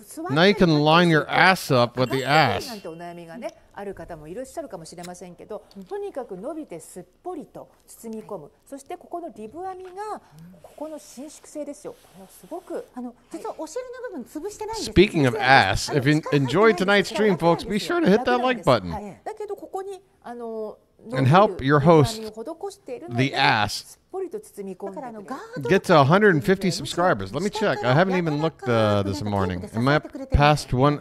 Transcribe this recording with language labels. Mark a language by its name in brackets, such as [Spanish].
[English] Now you can line your ass up with the ass. [Japanese] ある方もいらっしゃるかもしれませんけど、とにかく伸びてすっぽりと包み込む。そしてここのリブ編みがここの伸縮性ですよ。すごく実はお尻の部分潰してないんです。 [English] Speaking of ass, if you enjoy tonight's stream, folks, be sure to hit that like button. [Japanese] だけどここに [English] And help your host, the ass, get to 150 subscribers. Let me check. I haven't even looked this morning. Am I past one?